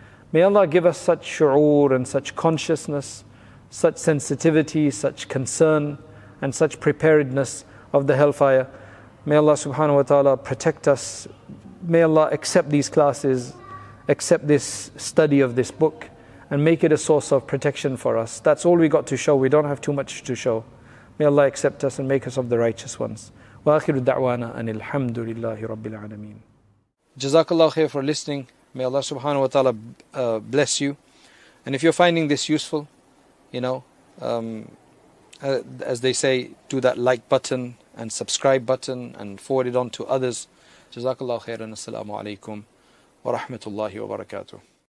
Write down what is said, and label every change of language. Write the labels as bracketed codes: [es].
[en] May Allah give us such shu'ur and such consciousness, such sensitivity, such concern, and such preparedness of the hellfire. May Allah subhanahu wa ta'ala protect us. May Allah accept these classes, accept this study of this book, and make it a source of protection for us. That's all we got to show. We don't have too much to show. May Allah accept us and make us of the righteous ones. [ar] وآخر الدعوانا أن الحمد لله رب العالمين. جزاك الله خير [en] for listening. May Allah subhanahu wa ta'ala bless you. And if you're finding this useful, you know, as they say, do that like button and subscribe button and forward it on to others. [ar] جزاك الله خير. السلام عليكم ورحمة الله وبركاته.